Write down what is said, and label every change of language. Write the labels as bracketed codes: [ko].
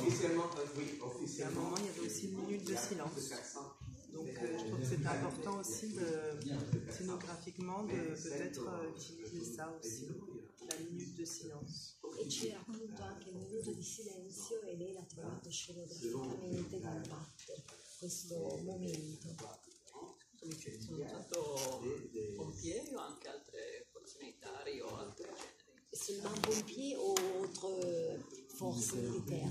[fr] Et à un moment, il y avait aussi une minute de silence. Donc je trouve que c'est important aussi de scénographiquement de peut-être utiliser ça aussi. [it] E c'era appunto anche un minuto di silenzio e lei l'ha trovato scenograficamente d'impatto questo momento. Scusami, c'è stato pompieri o anche altre forze militari o altre [fr] seulement pompiers ou autres forces militaires?